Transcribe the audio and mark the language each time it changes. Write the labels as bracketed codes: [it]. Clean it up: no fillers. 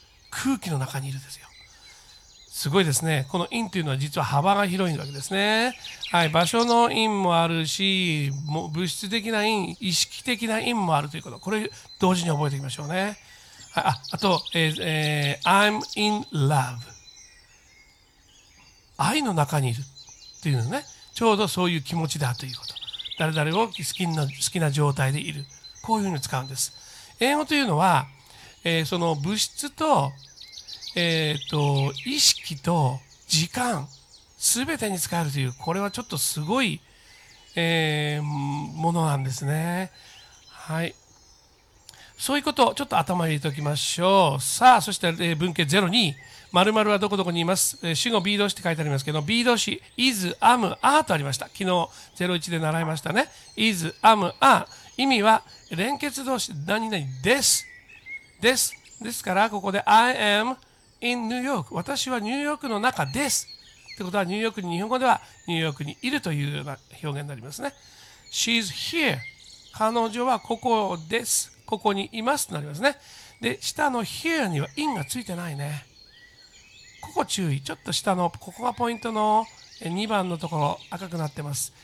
[ja] 空気の中にいるんですよ。すごいですね。この in というのは実は幅が広いわけですね。はい。場所の in もあるし、もう物質的な in、意識的な in もあるということ。これ、同時に覚えていきましょうね。 [en] あと、I'm in love。 [ja] 愛の中にいるっていうのね。ちょうどそういう気持ちだということ。誰々を好きな状態でいる。こういうふうに使うんです。英語というのは、その物質と、意識と時間、すべてに使えるという、これはちょっとすごい、ものなんですね。はい。そういうことをちょっと頭に入れておきましょう。さあ、そして、文型0に、〇〇はどこどこにいます。主語 B 動詞って書いてありますけど、B 動詞、is, am, are とありました。昨日01で習いましたね。is, am, are。意味は連結動詞、何々です。です。ですから、ここで [en] I am in New York。 [ja] 私はニューヨークの中です。ってことは、ニューヨークに、日本語ではニューヨークにいるというような表現になりますね。 [en] she's here。 [ja] 彼女はここです。ここにいますとなりますね。で、下の here には in がついてないね。ここ注意。ちょっと下の、ここがポイントの2番のところ赤くなってます。